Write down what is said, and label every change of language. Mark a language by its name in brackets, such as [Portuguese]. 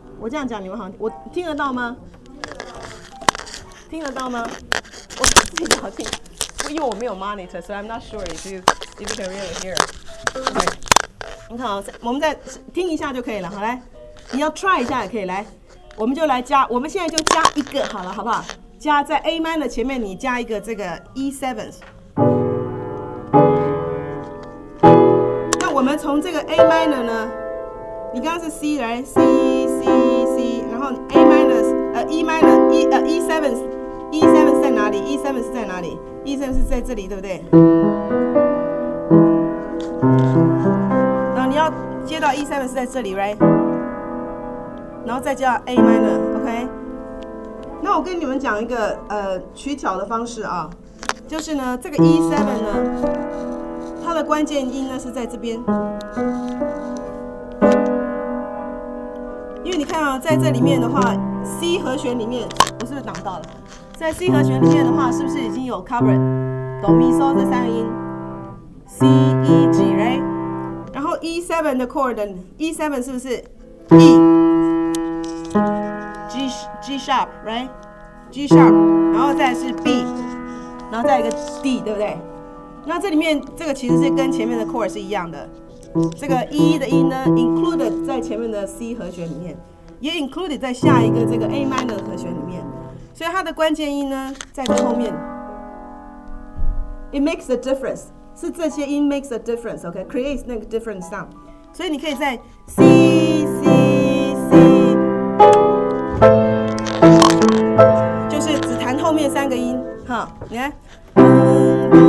[Chinese] 这样讲你们好，我听得到吗？听得到吗？我自己好听，因为我没有 monitor， [English] so I'm not sure if you can really hear. [Chinese] Okay， 你看啊，我们再听一下就可以了。好，来，你要 try 一下也可以。来，我们就来加，我们现在就加一个好了，好不好？加在 A minor 前面，你加一个这个 E seventh。那我们从这个 A minor 呢？你刚刚是 C， 来 C C C， 然后 A minor， E minor， E seven， E seven 在哪里？ E seven 是在哪里？E seven 是在这里，对不对？然后你要接到 E seven 是在这里， right？然后再叫 A minor， OK？那我跟你们讲一个取巧的方式啊，就是呢，这个 E seven 呢，它的关键音呢是在这边。因为你看啊，在这里面的话 ，C 和弦里面，我是不是挡到了？在 C 和弦里面的话，是不是已经有 cover Do Mi So 这三个音 ，C E G right？然后 E seven 的 chord， E seven 是不是 E G sharp right？ G sharp， 然后再是 B， 然后再一个 D， 对不对？那这里面这个其实是跟前面的 chord 是一样的。这个 E 的音呢 ，included 在前面的 C 和弦里面，也 included 在下一个这个 A minor 和弦里面，所以它的关键音呢在这后面。 [English] It makes a difference， [Chinese] 是这些音 [English] makes a difference， [Chinese] OK， creates 那个 [English] different sound， [Chinese] 所以你可以在 C C C， 就是只弹后面三个音，哈，你看。